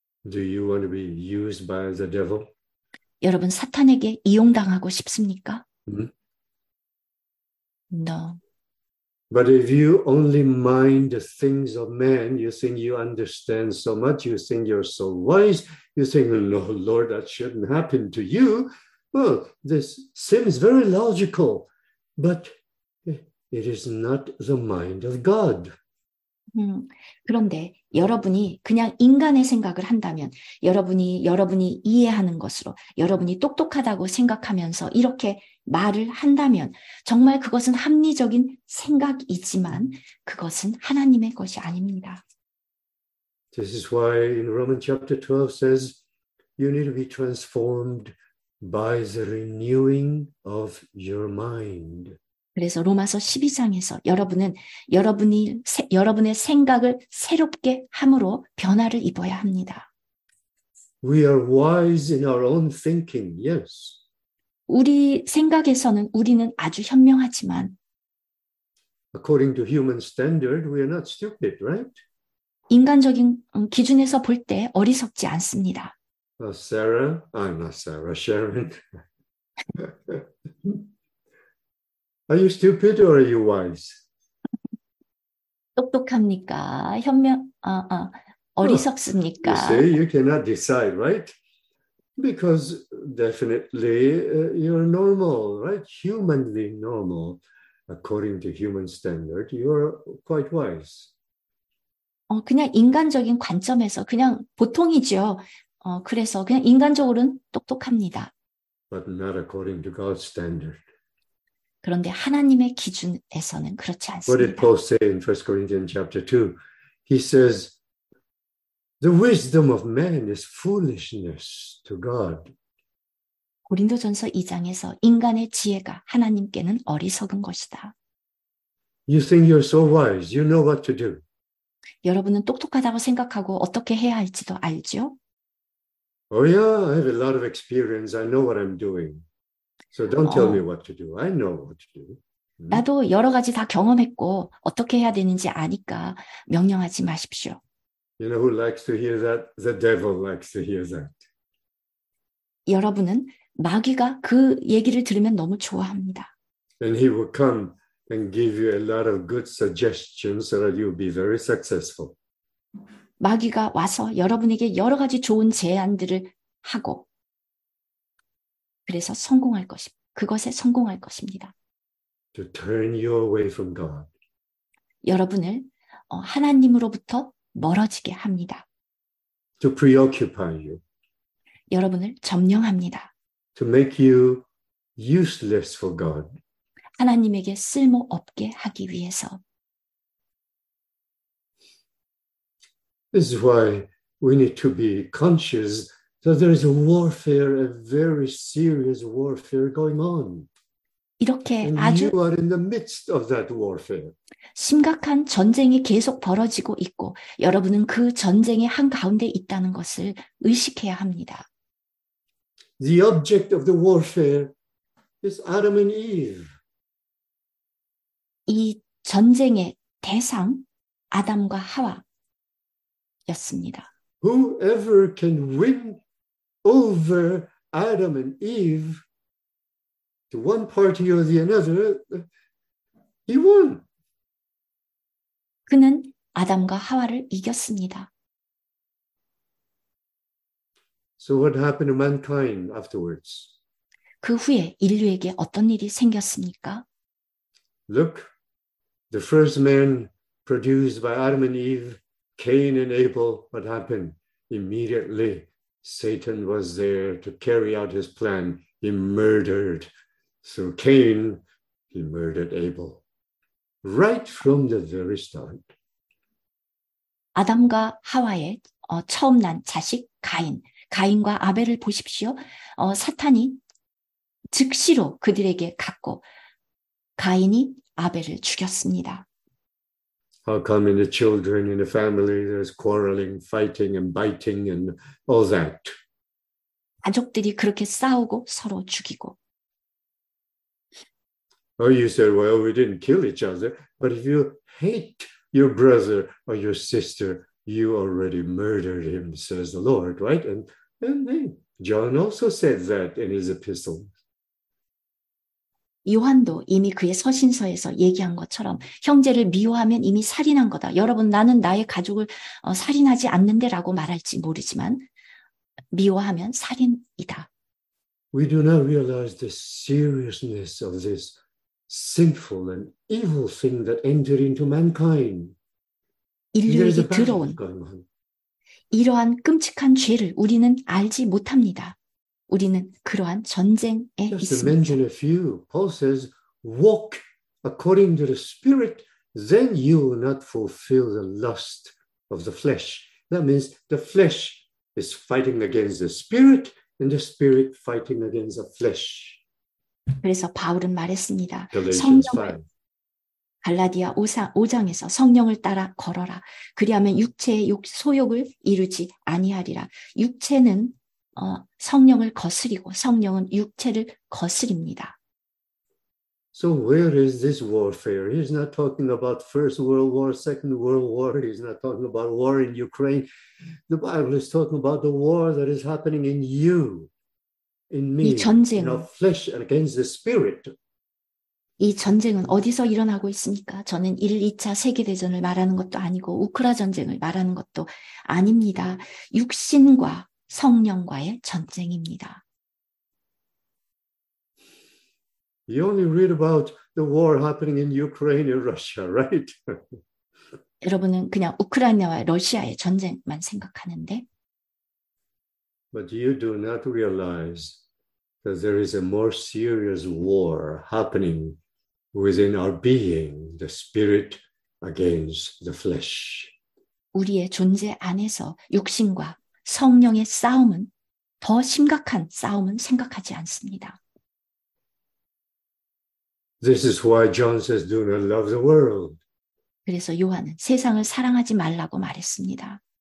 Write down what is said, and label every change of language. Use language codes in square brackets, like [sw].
[en] Do you want to be used by the devil? [ko] 여러분 사탄에게 이용당하고 싶습니까? [en] No. But if you only mind the things of men, you think you understand so much, you think you're so wise, you think, "No, Lord, that shouldn't happen to you." Well, this seems very logical, but it is not the mind of God. [ko] 그런데 여러분이 그냥 인간의 생각을 한다면 여러분이 이해하는 것으로 여러분이 똑똑하다고 생각하면서 이렇게 말을 한다면 정말 그것은 합리적인 생각이지만 그것은 하나님의 것이 아닙니다. [en] This is why in Romans chapter 12 says you need to be transformed by the renewing of your mind. [ko] 그래서 로마서 12장에서 여러분은 여러분의 생각을 새롭게 함으로 변화를 입어야 합니다. [en] We are wise in our own thinking. Yes. [ko] 우리 생각에서는 우리는 아주 현명하지만 [en] According to human standard, we are not stupid, right? [ko] 인간적인 기준에서 볼 때 어리석지 않습니다. [en] Sarah, I'm not Sarah, Sharon. Are you stupid or are you wise? [ko] 똑똑합니까? 현명 어리석습니까? [en] You see, you cannot decide, right? Because definitely you're normal, right? Humanly normal. According to human standard, you're quite wise. [ko] 그냥 인간적인 관점에서 그냥 보통이죠. 그래서 그냥 인간적으로는 똑똑합니다. [en] But not according to God's standard. [ko] 그런데 하나님의 기준에서는 그렇지 않습니다. [en] What did Paul say in 1 Corinthians chapter 2? He says, The wisdom of man is foolishness to God. [ko] 고린도전서 2장에서 인간의 지혜가 하나님께는 어리석은 것이다. [en] You think you're so wise. You know what to do. [ko] 여러분은 똑똑하다고 생각하고 어떻게 해야 할지도 알죠? [en] Oh yeah, I have a lot of experience. I know what I'm doing. So don't tell me what to do. I know what to do. [ko] 나도 여러 가지 다 경험했고 어떻게 해야 되는지 아니까 명령하지 마십시오. [en] You know who likes to hear that? The devil likes to hear that. [ko] 여러분은 마귀가 그 얘기를 들으면 너무 좋아합니다. [en] And he will come and give you a lot of good suggestions so that you'll be very successful. [ko] 마귀가 와서 여러분에게 여러 가지 좋은 제안들을 하고 그래서 성공할 것입 그것에 성공할 것입니다. [en] To turn you away from God. [ko] 여러분을 하나님으로부터 멀어지게 합니다. [en] To preoccupy you. [ko] 여러분을 점령합니다. [en] To make you useless for God. [ko] 하나님에게 쓸모 없게 하기 위해서. [en] This is why we need to be conscious that there is a warfare, a very serious warfare going on. [ko] 이렇게 [en] And [ko] 아주 [en] you are in the midst of that warfare. [ko] 심각한 전쟁이 계속 벌어지고 있고 여러분은 그 전쟁의 한 가운데 있다는 것을 의식해야 합니다. [en] The object of the warfare is Adam and Eve. [ko] 이 전쟁의 대상 아담과 하와였습니다. [en] Whoever can win over Adam and Eve to one party or the other, he won. [ko] 그는 아담과 하와를 이겼습니다. [en] So what happened to mankind afterwards? [ko] 그 후에 인류에게 어떤 일이 생겼습니까? [en] Look, the first man produced by Adam and Eve, Cain and Abel, what happened? Immediately, Satan was there to carry out his plan. He murdered. So Cain, he murdered Abel. Right from the very start. [ko] 아담과 하와의 처음 난 자식 가인. 가인과 아벨을 보십시오. 사탄이 즉시로 그들에게 갔고 가인이 아벨을 죽였습니다. [en] How come in the children, in the family, there's quarreling, fighting, and biting, and all that? [ko] 가족들이 그렇게 싸우고 서로 죽이고. [en] Oh, you said, well, we didn't kill each other. But if you hate your brother or your sister, you already murdered him, says the Lord, right? And John also said that in his epistle. [ko] 요한도 이미 그의 서신서에서 얘기한 것처럼 형제를 미워하면 이미 살인한 거다. 여러분, 나는 나의 가족을 살인하지 않는데라고 말할지 모르지만 미워하면 살인이다. [en] We do not realize the seriousness of this sinful and evil thing that entered into mankind. [ko] 인류에게 들어온 이러한 끔찍한 죄를 우리는 알지 못합니다. 우리는 그러한 전쟁에 [en] Just [ko] 있습니다. [en] To mention a few, Paul says, walk according to the Spirit, then you will not fulfill the lust of the flesh. That means the flesh is fighting against the Spirit, and the Spirit fighting against the flesh. [ko] 그래서 바울은 말했습니다. 성령을 갈라디아 5장에서 성령을 따라 걸어라. 그리하면 육체의 소욕을 이루지 아니하리라. 육체는 성령을 거스리고 성령은 육체를 거스립니다. [en] So where is this warfare? He's not talking about First World War, Second World War. He's not talking about war in Ukraine. The Bible is talking about the war that is happening in you, in me, [ko] 전쟁, [en] in our flesh against the spirit. [ko] 이 전쟁은 어디서 일어나고 있습니까? 저는 1, 2차 세계대전을 말하는 것도 아니고 우크라 전쟁을 말하는 것도 아닙니다. 육신과 성령과의 전쟁입니다. [en] You only read about the war happening in Ukraine and Russia, right? [ko] 여러분은 그냥 우크라이나와 러시아의 전쟁만 생각하는데. [en] But you do not realize that there is a more serious war happening within our being, the spirit against the flesh. [ko] 우리의 존재 안에서 육신과 성령의 싸움은 더 심각한 싸움은 생각하지 않습니다. [en] This is why John says, "Do not love the world." [ko] 그래서 요한은 세상을 사랑하지 말라고 말했습니다.